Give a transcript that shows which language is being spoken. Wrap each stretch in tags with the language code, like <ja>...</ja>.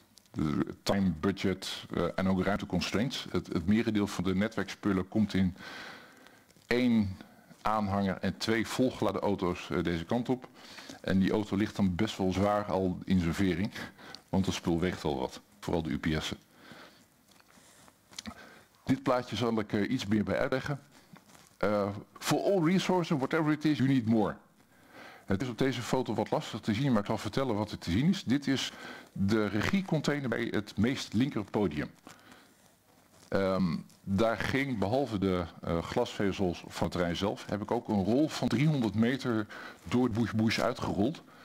<nl>De time, budget en ook ruimte constraints. Het merendeel van de netwerkspullen komt in één aanhanger en twee volgeladen auto's deze kant op. En die auto ligt dan best wel zwaar al in zijn vering, want het spul weegt al wat, vooral de UPS'en. Dit plaatje zal ik iets meer bij uitleggen.</nl> <en>For all resources, whatever it is, you need more.</en> <nl>Het is op deze foto wat lastig te zien, maar ik zal vertellen wat er te zien is. Dit is de regiecontainer bij het meest linker podium. Daar ging, behalve de glasvezels van het terrein zelf, heb ik ook een rol van 300 meter door het bush uitgerold.</nl>